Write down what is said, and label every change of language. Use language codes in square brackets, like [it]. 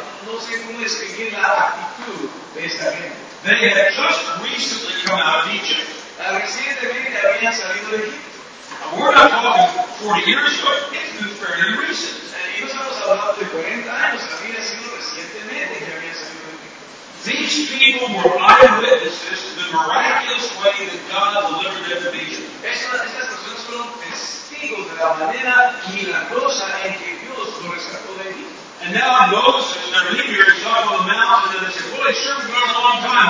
[es] No sé cómo describir la actitud de esta gente. [en] They had just recently come out of Egypt. [es] Recientemente habían salido de Egipto. [en] We're not talking 40 years ago. It's been fairly recent. [es] Y estamos hablando de 40 años. Había sido recientemente que habían salido de Egipto. [en] These people were eyewitnesses to the miraculous way that God delivered them from Egypt. [es] Estas personas fueron testigos de la manera milagrosa en que Dios los rescató de Egipto. [en] And now Moses, their leader, is up on the mountain and they say, boy, it sure has been a long time.